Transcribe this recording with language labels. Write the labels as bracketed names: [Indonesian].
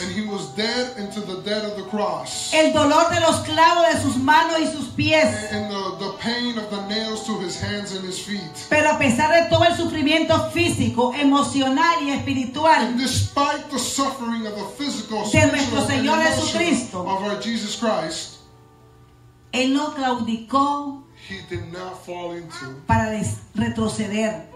[English] And he was dead into the dead of the cross. [Spanish] El dolor de los clavos de sus manos y sus pies. [English] And the pain of the nails to his hands and his feet. [Spanish] Pero a pesar de todo el sufrimiento físico, emocional y espiritual. [English] And despite the suffering of the physical, [Spanish] de nuestro Señor Jesucristo, [English] of our Jesus Christ, [Spanish] él no claudicó, [English] he did not fall into, [Spanish] para retroceder,